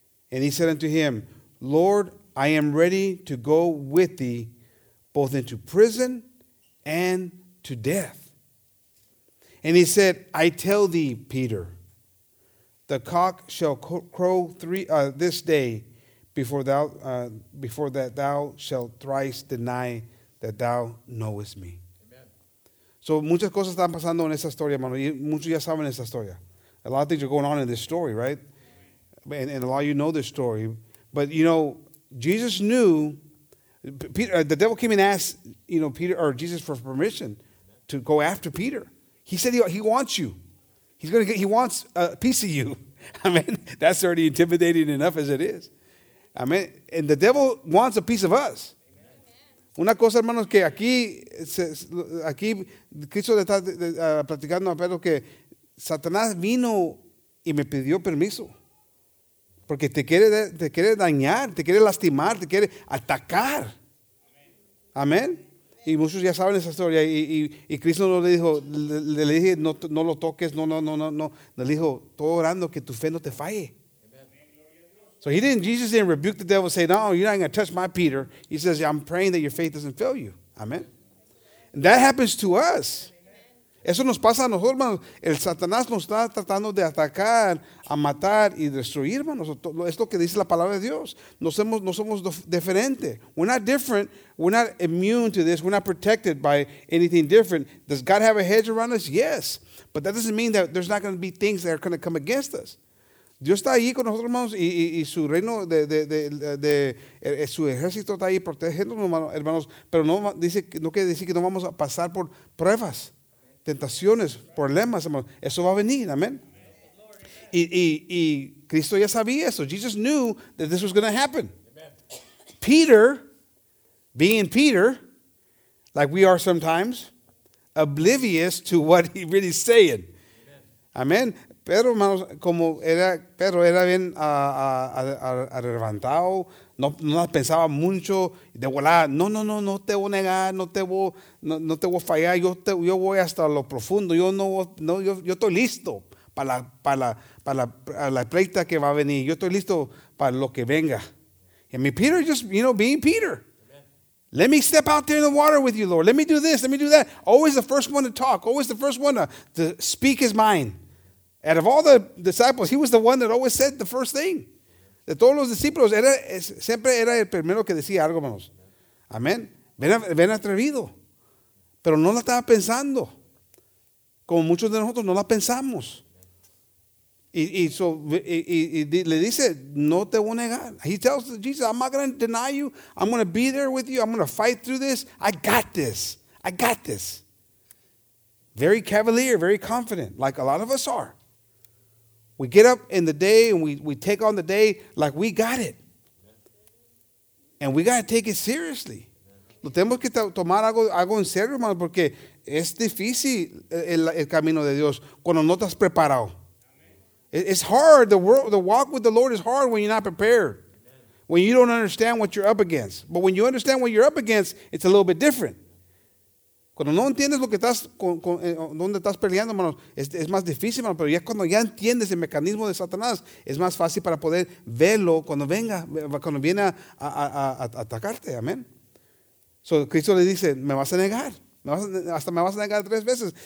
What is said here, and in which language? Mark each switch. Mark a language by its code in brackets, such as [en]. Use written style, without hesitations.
[en] And he said unto him, Lord, I am ready to go with thee, both into prison and to death. And he said, I tell thee, Peter, the cock shall crow this day before that thou shalt thrice deny that thou knowest me. Amen. [es] So muchas cosas están pasando en esa historia, hermano. Muchos ya saben esa historia. [en] A lot of things are going on in this story, right? And a lot of you know this story. But, you know, Jesus knew. Peter, the devil came and asked, you know, Peter or Jesus for permission to go after Peter. He said he wants you. He wants a piece of you. I mean, that's already intimidating enough as it is. I mean, and the devil wants a piece of us. [es] Una cosa, hermanos, que aquí Cristo le está platicando a Pedro que Satanás vino y me pidió permiso. Porque te quiere dañar, te quiere lastimar, te quiere atacar. Amén. Y muchos ya saben esa historia. Y Cristo no le dijo, le dije, no lo toques, no. Le dijo, todo orando que tu fe no te falle. [en] So Jesus didn't rebuke the devil and say, no, you're not going to touch my Peter. He says, I'm praying that your faith doesn't fail you. Amén. And that happens to us. [es] Eso nos pasa a nosotros, hermanos. El Satanás nos está tratando de atacar, a matar y destruir, hermanos. Es lo que dice la palabra de Dios. No somos diferente. [en] We're not different. We're not immune to this. We're not protected by anything different. Does God have a hedge around us? Yes. But that doesn't mean that there's not going to be things that are going to come against us. [es] Dios está ahí con nosotros, hermanos, y su reino, de su ejército está ahí protegiéndonos, hermanos. Pero no quiere decir que no vamos a pasar por pruebas, tentaciones, problemas, hermanos. Eso va a venir, amén. Y Cristo ya sabía eso. [en] Jesus knew that this was going to happen. Peter, being Peter, like we are sometimes, oblivious to what he really is saying. [es] Amén. Pedro, hermanos, como era, Pedro era bien arrebatado, no pensaba mucho, de volar, no te voy a negar, no te voy a fallar, yo voy hasta lo profundo, yo estoy listo para la pleita que va a venir, yo estoy listo para lo que venga. [en] I mean, Peter just, you know, being Peter. Let me step out there in the water with you, Lord. Let me do this, let me do that. Always the first one to talk, always the first one to speak his mind. Out of all the disciples, he was the one that always said the first thing. [es] De todos los discípulos, siempre era el primero que decía algo, hermanos. Amén. Ven atrevido. Pero no la estaba pensando. Como muchos de nosotros, no la pensamos. Y le dice, no te voy a negar. [en] He tells Jesus, I'm not going to deny you. I'm going to be there with you. I'm going to fight through this. I got this. Very cavalier, very confident, like a lot of us are. We get up in the day and we take on the day like we got it. And we got to take it seriously. [es] Lo tenemos que tomar algo en serio, hermano, porque es difícil el camino de Dios cuando no estás preparado. [en] It's hard. The walk with the Lord is hard when you're not prepared, when you don't understand what you're up against. But when you understand what you're up against, it's a little bit different. [es] Cuando no entiendes lo que estás, donde estás peleando, hermano, es más difícil, hermano. Pero ya cuando ya entiendes el mecanismo de Satanás, es más fácil para poder verlo cuando viene a atacarte. Amén. So, Cristo le dice, me vas a negar. Me vas a negar tres veces.